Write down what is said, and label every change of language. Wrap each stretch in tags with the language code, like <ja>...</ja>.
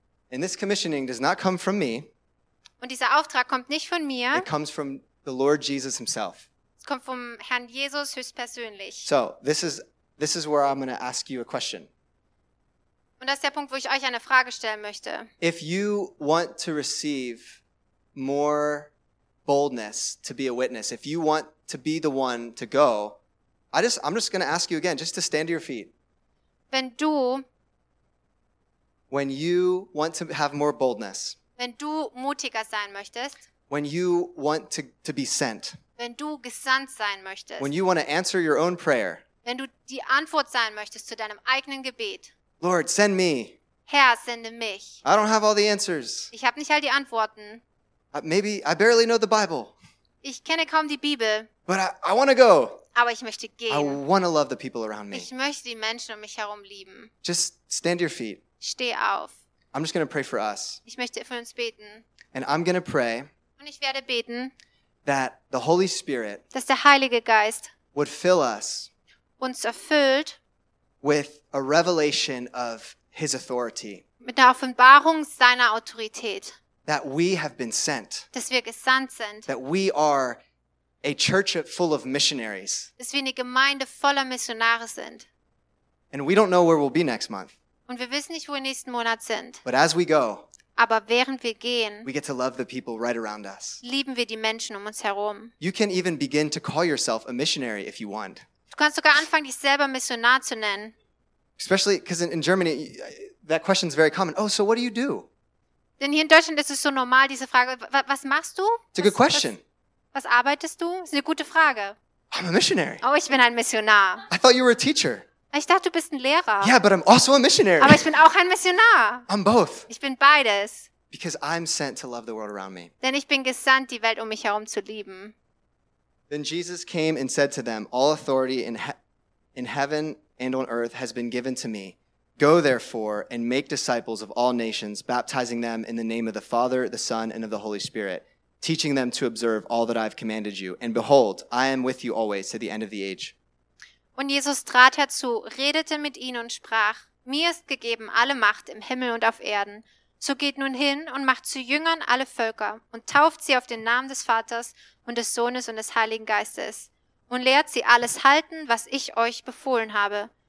<en>And this commissioning does not come from me.</en> <de>Und dieser Auftrag kommt nicht von mir.</de> <en>It comes from the Lord Jesus himself.</en> <de>Es kommt vom Herrn Jesus höchstpersönlich.</de> <en>So, this is where I'm going to ask you a question.</en> <de>Und das ist der Punkt, wo ich euch eine Frage stellen möchte.</de> <en>If you want to receive more boldness to be a witness, if you want to be the one to go, I'm just going to ask you again, just to stand to your feet.</en> <de>Wenn du,</de> <en>when you want to have more boldness,</en> <de>wenn du mutiger sein möchtest,</de> <en>when you want to be sent,</en> <de>wenn du gesandt sein möchtest,</de> <en>when you want to answer your own prayer,</en> <de>wenn du die Antwort sein möchtest zu deinem eigenen Gebet,</de> <en>Lord, send me.</en> <de>Herr, sende mich.</de> <en>I don't have all the answers.</en> <de>Ich habe nicht all die Antworten.</de> <en>Maybe I barely know the Bible.</en> <de>Ich kenne kaum die Bibel.</de> <en>But I want to go.</en> <de>Aber ich möchte gehen.</de> <en>I want to love the people around me.</en> <de>Ich möchte die Menschen um mich herum lieben.</de> <en>Just stand to your feet.</en> <de>Steh auf.</de> <en>I'm just going to pray for us.</en> <de>Ich möchte für uns beten.</de> <en>And I'm going to pray.</en> <de>Und ich werde beten.</de> <en>That the Holy Spirit.</en> <de>Dass der Heilige Geist.</de> <en>Would fill us.</en> <de>Uns erfüllt.</de> <en>With a revelation of His authority.</en> <de>Mit der Offenbarung seiner Autorität.</de> <en>That we have been sent.</en> <de>Dass wir gesandt sind.</de> <en>That we are a church full of missionaries.</en> <de>Dass wir eine Gemeinde voller Missionare sind.</de> <en>And we don't know where we'll be next month.</en> <de>Und wir wissen nicht, wo wir nächsten Monat sind.</de> <en>But as we go,</en> <de>aber während wir gehen,</de> <en>we get to love the people right around us.</en> <de>Lieben wir die Menschen um uns herum.</de> <en>You can even begin to call yourself a missionary if you want.</en> <de>Du kannst sogar anfangen, dich selber Missionar zu nennen.</de> <en>Especially because in Germany, that question is very common. Oh, so what do you do?</en> <de>Denn hier in Deutschland ist es so normal, diese Frage, was machst du?</de> <en>It's a good question.</en> <de>Was arbeitest du? Das ist eine gute Frage.</de> <en>I'm a missionary.</en> <de>Oh, ich bin ein Missionar.</de> <en>I thought you were a teacher.</en> <de>Ich dachte, du bist ein Lehrer.</de> <en>Yeah, but I'm also a missionary.</en> <de>Aber ich bin auch ein Missionar.</de> <en>I'm both.</en> <de>Ich bin beides.</de> <en>Because I'm sent to love the world around me.</en> <de>Denn ich bin gesandt, die Welt um mich herum zu lieben.</de> <en>Then Jesus came and said to them, all authority in heaven and on earth has been given to me. Go therefore and make disciples of all nations, baptizing them in the name of the Father, the Son, and of the Holy Spirit, teaching them to observe all that I have commanded you. And behold, I am with you always to the end of the age.</en> <de>Und Jesus trat herzu, redete mit ihnen und sprach, mir ist gegeben alle Macht im Himmel und auf Erden. So geht nun hin und macht zu Jüngern alle Völker und tauft sie auf den Namen des Vaters und des Sohnes und des Heiligen Geistes und lehrt sie alles halten, was ich euch befohlen habe.</de>